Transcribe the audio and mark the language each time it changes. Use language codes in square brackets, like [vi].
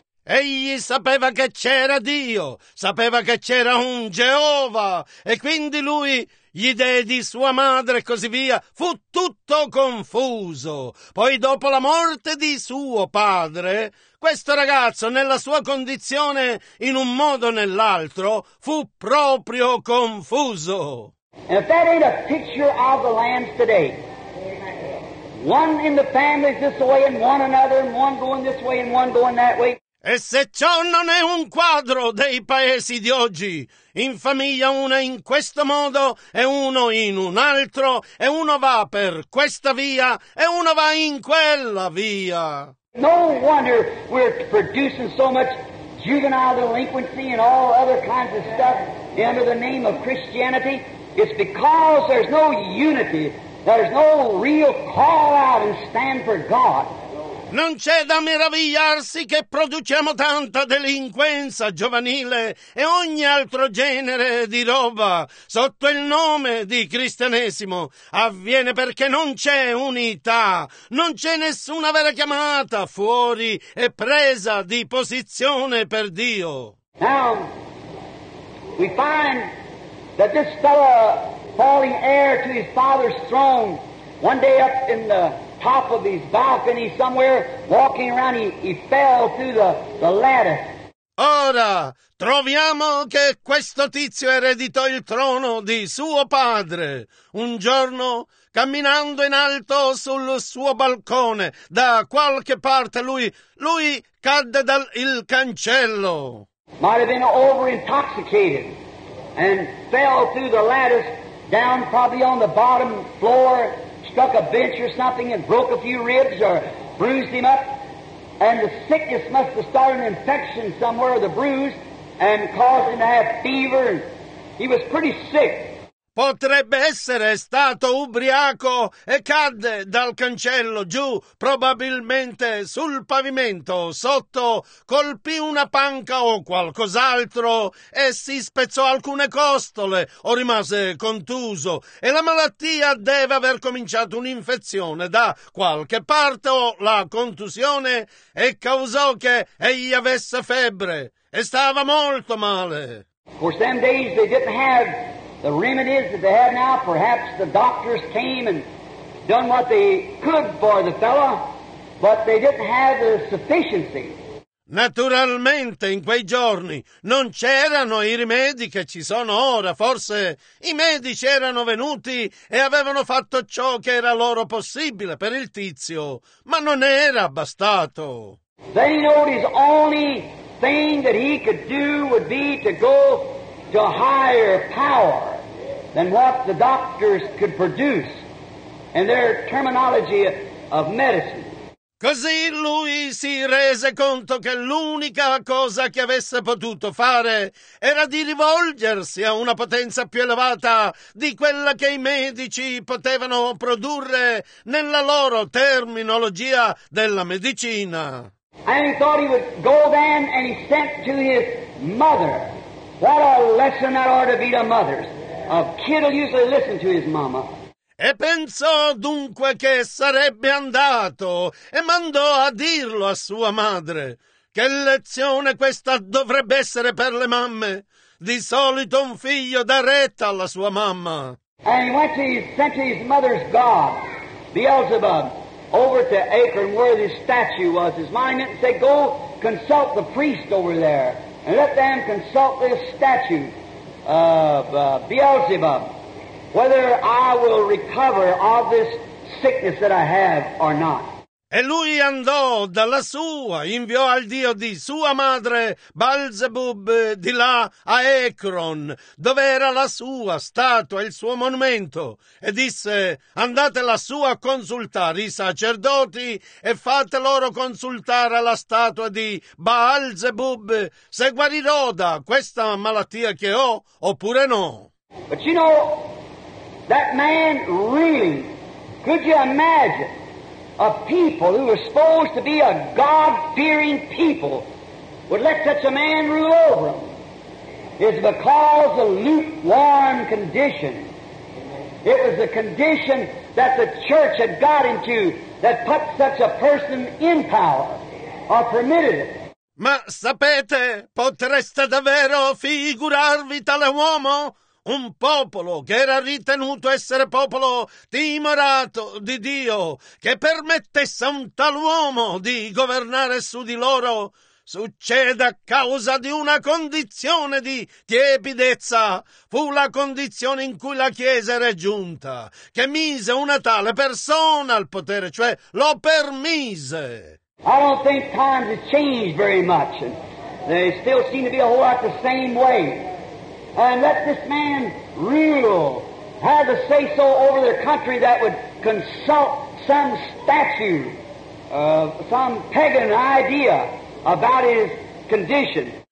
[it] Egli sapeva che c'era Dio, sapeva che c'era un Geova, e quindi lui, gli dèi di sua madre e così via, fu tutto confuso. Poi dopo la morte di suo padre, questo ragazzo, nella sua condizione, in un modo o nell'altro, fu proprio confuso. [en] And if that ain't a picture of the land today, one in the family this way and one another, and one going this way and one going that way. [it] E se ciò non è un quadro dei paesi di oggi, in famiglia uno in questo modo e uno in un altro, e uno va per questa via e uno va in quella via. [en] No wonder we're producing so much juvenile delinquency and all other kinds of stuff under the name of Christianity. It's because there's no unity, there's no real call out and stand for God. [it] Non c'è da meravigliarsi che produciamo tanta delinquenza giovanile e ogni altro genere di roba sotto il nome di cristianesimo. Avviene perché non c'è unità, non c'è nessuna vera chiamata fuori e presa di posizione per Dio. [en] Now, we find that this fellow falling heir to his father's throne, one day up in the top of his balcony somewhere, walking around, he fell through the lattice. [it] Ora, troviamo che questo tizio ereditò il trono di suo padre. Un giorno, camminando in alto sul suo balcone, da qualche parte lui cadde dal il cancello. [en] Might have been over intoxicated and fell through the lattice down probably on the bottom floor, struck a bench or something and broke a few ribs or bruised him up. And the sickness must have started an infection somewhere, the bruise, and caused him to have fever. He was pretty sick. [it] Potrebbe essere stato ubriaco e cadde dal cancello giù, probabilmente sul pavimento, sotto colpì una panca o qualcos'altro e si spezzò alcune costole o rimase contuso e la malattia deve aver cominciato un'infezione da qualche parte o la contusione e causò che egli avesse febbre e stava molto male. [en] For some days they didn't have the remedies that they have now. Perhaps the doctors came and done what they could for the fellow, but they didn't have the sufficiency. [it] Naturalmente, in quei giorni non c'erano i rimedi che ci sono ora. Forse i medici erano venuti e avevano fatto ciò che era loro possibile per il tizio, ma non era bastato. [en] They knew his only thing that he could do would be to go to a higher power than what the doctors could produce in their terminology of medicine. [it] Così lui si rese conto che l'unica cosa che avesse potuto fare era di rivolgersi a una potenza più elevata di quella che i medici potevano produrre nella loro terminologia della medicina. [en] And he thought he would go then, and he sent to his mother. What a lesson that ought to be to mothers. A kid will usually listen to his mama. [it] E pensò dunque che sarebbe andato e mandò a dirlo a sua madre. Che lezione questa dovrebbe essere per le mamme. Di solito un figlio dà retta alla sua mamma. [en] And he went to sent to his mother's god, Beelzebub, over to Acre, where his statue was, his monument, and said, go consult the priest over there. And let them consult this statue of Beelzebub, whether I will recover all this sickness that I have or not. [it] E lui andò dalla sua, inviò al dio di sua madre, Beelzebub, di là a Ecron, dove era la sua statua, il suo monumento, e disse, andate lassù a consultare i sacerdoti e fate loro consultare la statua di Beelzebub, se guarirò da questa malattia che ho, oppure no. [en] But you know, that man really, could you imagine? A people who were supposed to be a God-fearing people would let such a man rule over them. It's because of lukewarm condition. It was the condition that the church had got into that put such a person in power or permitted it. [it] Ma sapete, potreste davvero figurarvi tale uomo? Un popolo che era ritenuto essere popolo timorato di Dio, che permettesse a un tal uomo di governare su di loro, succede a causa di una condizione di tiepidezza. Fu la condizione in cui la Chiesa era giunta, che mise una tale persona al potere, cioè lo permise. [en] I don't think times have changed very much. They still seem to be a whole lot the same way. And let this man rule, have the say-so over their country, that would consult some statue, some pagan idea about his condition.